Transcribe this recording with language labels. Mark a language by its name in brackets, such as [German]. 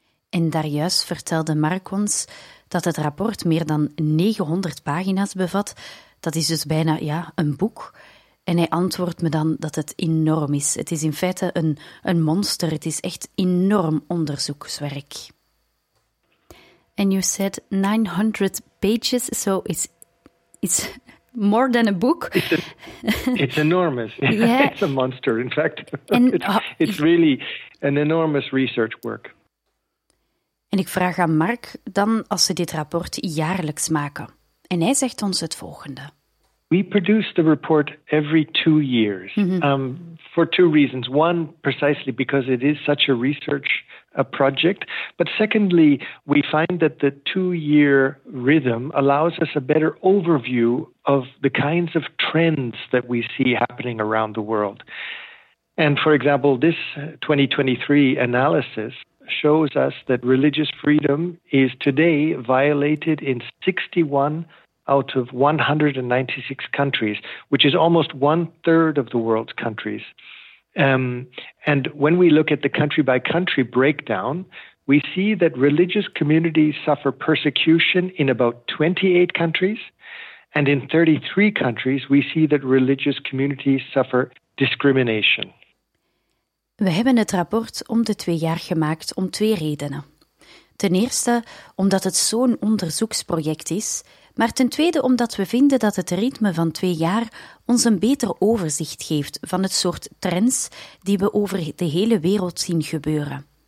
[Dutch] En daarjuist vertelde Mark ons dat het rapport meer dan 900 pagina's bevat, dat is dus bijna ja, een boek. En hij antwoordt me dan dat het enorm is. Het is in feite een monster. Het is echt enorm onderzoekswerk. [English] And you said 900 pages, so it's more than a book. It's enormous. Yeah. It's a monster, in fact. It's really an enormous research work. En ik vraag aan Mark dan als ze dit rapport jaarlijks maken. En hij zegt ons het volgende. We produce the report every 2 years for 2 reasons. One, precisely because it is such a research project. But secondly, we find that the 2-year rhythm allows us a better overview of the kinds of trends that we see happening around the world. And for example, this 2023 analysis shows us that religious freedom is today violated in 61 out of 196 countries, which is almost one-third of the world's countries. And when we look at the country-by-country breakdown, we see that religious communities suffer persecution in about 28 countries, and in 33 countries we see that religious communities suffer discrimination. [Dutch] We hebben het rapport om de 2 jaar gemaakt om 2 redenen. Ten eerste, omdat het zo'n onderzoeksproject is, maar ten tweede omdat we vinden dat het ritme van 2 jaar ons een beter overzicht geeft van het soort trends die we over de hele wereld zien gebeuren.